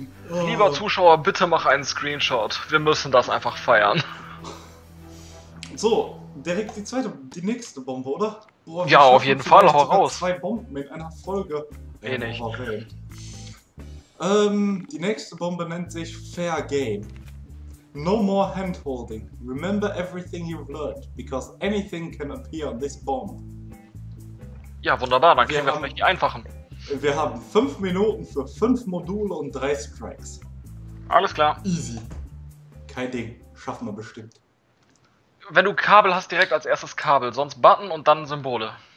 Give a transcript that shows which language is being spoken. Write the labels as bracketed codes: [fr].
[de] Lieber Zuschauer, bitte mach einen Screenshot. Wir müssen das einfach feiern. So, direkt die zweite, die nächste Bombe, oder? Boah, ja, auf jeden Fall, hau raus. Zwei Bomben in einer Folge. Wenig. Die nächste Bombe nennt sich Fair Game. [en] No more handholding. Remember everything you've learned, because anything can appear on this bomb. [de] Ja, wunderbar, dann kriegen wir es nicht die einfachen. Wir haben 5 Minuten für 5 Module und 3 Strikes. Alles klar. Easy. Kein Ding. Schaffen wir bestimmt. Wenn du Kabel hast, direkt als erstes Kabel. Sonst Button und dann Symbole.